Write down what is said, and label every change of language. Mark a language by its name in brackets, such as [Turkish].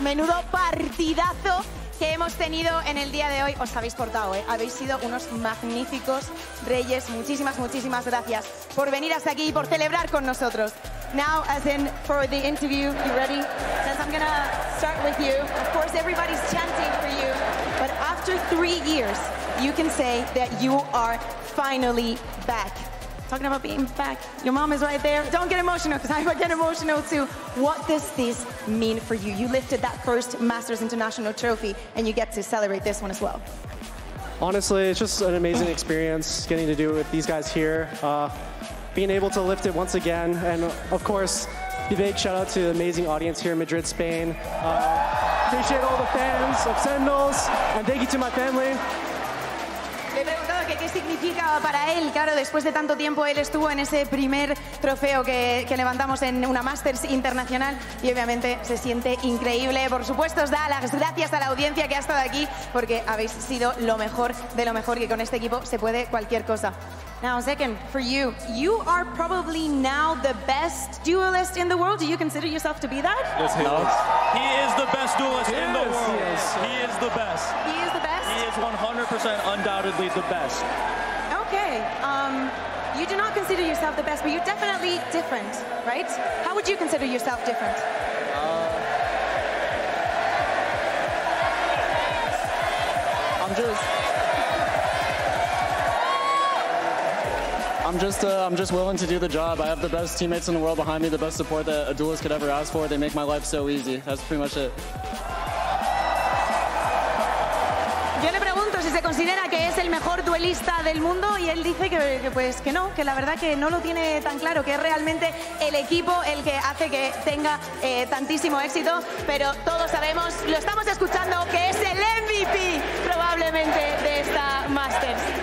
[Spanish] Menudo partidazo que hemos tenido en el día de hoy. Os habéis portado, ¿eh? Habéis sido unos magníficos reyes. Muchísimas, muchísimas gracias por venir hasta aquí y por celebrar con nosotros. [English] Now, as in for the interview, you ready? Since I'm gonna start with you. Of course, everybody's chanting for you. But after 3 years, you can say that you are finally back. Talking about being back, your mom is right there. Don't get emotional, because I get emotional too. What does this mean for you? You lifted that first Masters International trophy, and you get to celebrate this one as well. Honestly, it's just an amazing experience getting to do it with these guys here. Being able to lift it once again, and of course, a big shout out to the amazing audience here in Madrid, Spain. Appreciate all the fans of Sentinels, and thank you to my family. [Spanish] Le he preguntado que qué significaba para él. Claro, después de tanto tiempo, él estuvo en ese primer trofeo que levantamos en una Masters Internacional y obviamente se siente increíble. Por supuesto, os da las gracias a la audiencia que ha estado aquí porque habéis sido lo mejor de lo mejor, que con este equipo se puede cualquier cosa. [English] Now, second, for you. You are probably now the best duelist in the world. Do you consider yourself to be that? Yes, he is. He is the best duelist in the world. He is the best. He is the best? He is 100% undoubtedly the best. Okay. You do not consider yourself the best, but you're definitely different, right? How would you consider yourself different? I'm just willing to do the job. I have the best teammates in the world behind me, the best support that a duelist could ever ask for. They make my life so easy. That's pretty much it. [Spanish] Yo le pregunto si se considera que es el mejor duelista del mundo y él dice que no, que la verdad que no lo tiene tan claro, que es realmente el equipo el que hace que tenga tantísimo éxito, pero todos sabemos, lo estamos escuchando, que es el MVP probablemente de esta Masters.